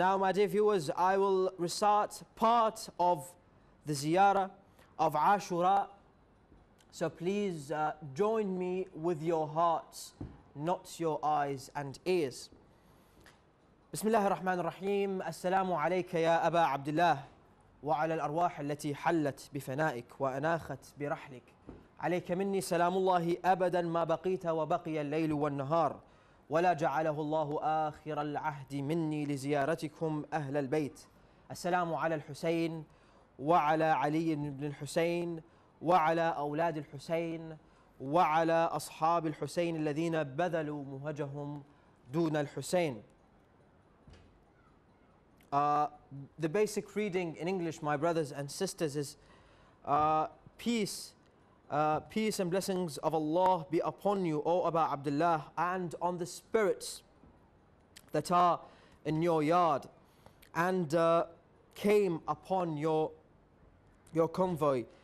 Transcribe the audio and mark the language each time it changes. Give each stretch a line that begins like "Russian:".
English: Now, my dear viewers, I will recite part of the ziyarah of Ashura. So please join me with your hearts, not your eyes and ears.
Arabic: Bismillah ar-Rahman ar-Rahim. Assalamu alayka ya Aba Abdullah. وعلى الأرواح التي حلت بفنائك وأناخت برحلك عليك مني سلام الله أبدا ما بقيت وبقي الليل والنهار ولا جعله الله آخر العهد مني لزيارتكم أهل البيت السلام على الحسين وعلى علي بن الحسين وعلى أولاد الحسين وعلى أصحاب الحسين الذين بذلوا مهجهم دون الحسين.
English: The basic reading in English, my brothers and sisters, is peace and blessings of Allah be upon you, O Aba Abdullah, and on the spirits that are in your yard and came upon your convoy.